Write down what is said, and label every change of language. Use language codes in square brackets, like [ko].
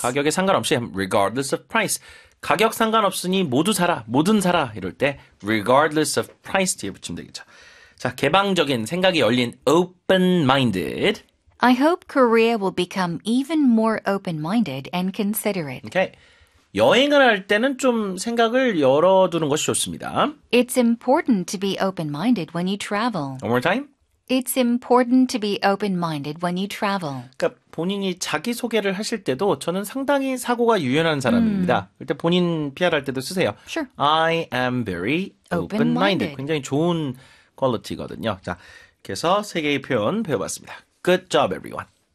[ko] 가격에 상관없이 [en] regardless of price. [ko] 가격 상관없으니 모두 사라, 모든 사라 이럴 때 regardless of price 뒤에 붙이면 되겠죠. 자, 개방적인, 생각이 열린, open-minded. [en] I hope Korea will become even more open-minded and considerate. Okay. [ko] 여행을 할 때는 좀 생각을 열어두는 것이 좋습니다. [en] It's important to be open-minded when you travel. One more time. It's important to be open-minded when you travel. [ko] 그러니까 본인이 자기소개를 하실 때도 저는 상당히 사고가 유연한 사람입니다. 그때 본인 PR 할 때도 쓰세요. [en] Sure. I am very open-minded. [ko] 굉장히 좋은 퀄리티거든요. 자, 이렇게 해서 세 개의 표현 배워봤습니다. [en] Good job, everyone.